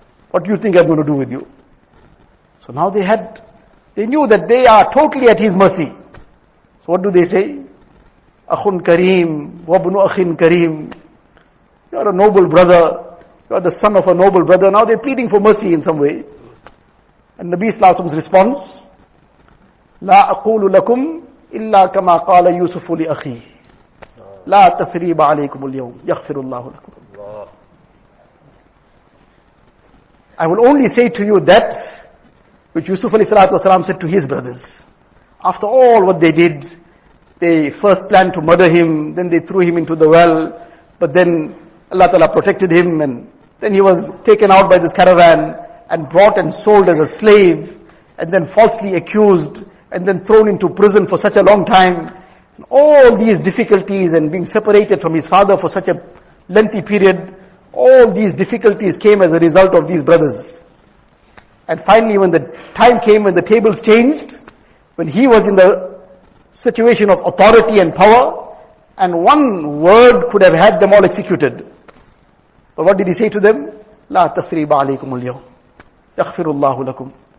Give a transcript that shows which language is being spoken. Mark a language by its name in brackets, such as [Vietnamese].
[English] What do you think I'm going to do with you? So now they knew that they are totally at his mercy. So what do they say? [Arabic] Akhun kareem, wabnu akhin kareem. [English] You are a noble brother. You are the son of a noble brother. Now they're pleading for mercy in some way. And Nabi sallallahu alaihi wasallam's response, [Arabic] لا أقول لكم إلا كما قال يوسف لأخي لا تثريب عليكم اليوم يغفر الله لكم. [English] I will only say to you that which Yusuf alayhi salam said to his brothers. After all what they did, they first planned to murder him, then they threw him into the well, but then Allah Ta'ala protected him, and then he was taken out by the caravan and brought and sold as a slave, and then falsely accused, and then thrown into prison for such a long time. All these difficulties and being separated from his father for such a lengthy period, all these difficulties came as a result of these brothers. And finally, when the time came, when the tables changed, when he was in the situation of authority and power, and one word could have had them all executed. But what did he say to them? [Arabic] لا تثريب عليكم اليوم يغفر الله لكم.